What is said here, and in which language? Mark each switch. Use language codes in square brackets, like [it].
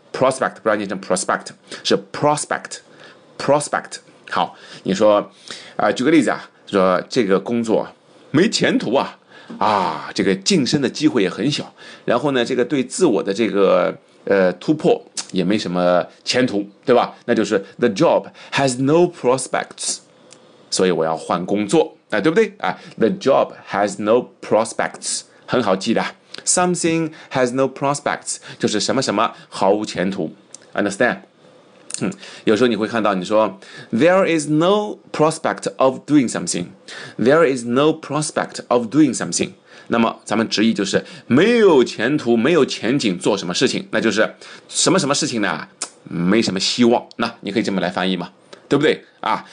[zh] prospect 不要念成 prospect, 是 prospect。好，你说，举个例子啊，说这个工作没前途啊，啊，这个晋升的机会也很小，然后呢，这个对自我的这个突破也没什么前途，对吧？那就是 [en] the job has no prospects， [zh] 所以我要换工作，哎，对不对？啊 ， [en] the job has no prospects， [zh] 很好记的。 [en] Something has no prospects， [zh] 就是什么什么毫无前途。 [en] Understand？ [zh] 有时候你会看到你说 [en] There is no prospect of doing something， There is no prospect of doing something， [zh] 那么咱们直译就是没有前途没有前景做什么事情，那就是什么什么事情呢，没什么希望，那你可以这么来翻译嘛，对不对啊？